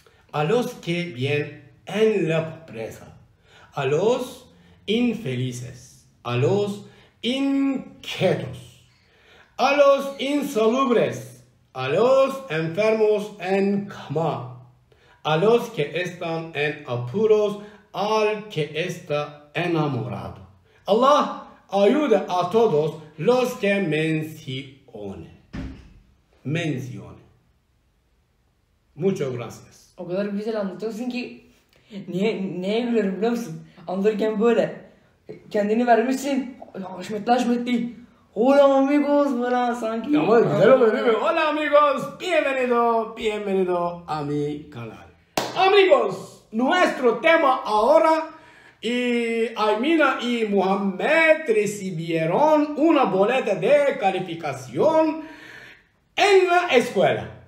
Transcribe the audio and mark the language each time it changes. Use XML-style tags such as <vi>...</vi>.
<es>a los que vienen en la pobreza, a los infelices, a los inquietos, a los insalubres, a los enfermos en cama, a los que están en apuros, al que está enamorado. Allah ayude a todos los que mencione. Mencione. Muchas gracias.</es> <tr>O kadar güzel anlatıyorsun ki, neye gülüyorum biliyor musun? Anlatırken böyle, kendini vermişsin, haşmetli haşmetli.</tr> <es>Hola amigos,</es> <tr>bana sanki... Ya madre, güzel oluyor değil mi?</tr> <es>Hola amigos, bienvenido, bienvenido a mi canal. Amigos, nuestro tema ahora... Y Aymina y Mohamed recibieron una boleta de calificación en la escuela.</es>